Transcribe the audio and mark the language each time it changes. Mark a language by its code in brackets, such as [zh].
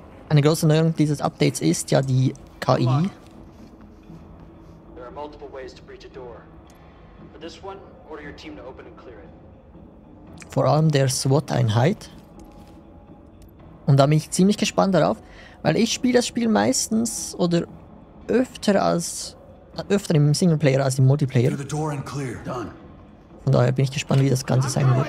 [de] Eine große Neuerung dieses Updates ist ja die KI. [en] There are multiple ways to breach a door. For this one, order your team to open and clear it. [de] Vor allem der SWAT-Einheit. Und da bin ich ziemlich gespannt darauf. Weil ich spiele das Spiel meistens oder öfter im Singleplayer als im Multiplayer. Von daher bin ich gespannt, wie das Ganze sein wird.